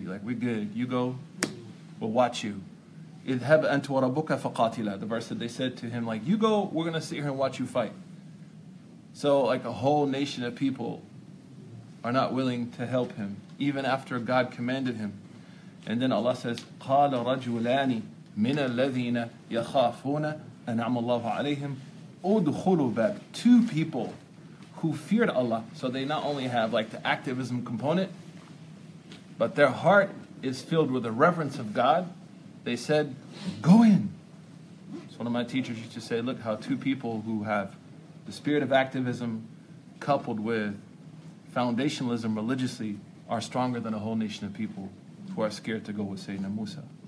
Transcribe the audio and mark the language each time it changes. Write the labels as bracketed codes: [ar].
[en] Like, we're good. You go, we'll watch you. [ar] اذهب أنت وربك فقاتلا. [en] The verse that they said to him, like, you go, we're going to sit here and watch you fight. So like a whole nation of people are not willing to help him, even after God commanded him. And then Allah says, [ar] قال رجلان من الذين يخافون أنعم الله عليهم أدخلوا باب. [en] Two people who feared Allah. So they not only have like the activism component, but their heart is filled with the reverence of God. They said, go in. So one of my teachers used to say, look how two people who have the spirit of activism coupled with foundationalism religiously are stronger than a whole nation of people who are scared to go with Sayyidina Musa.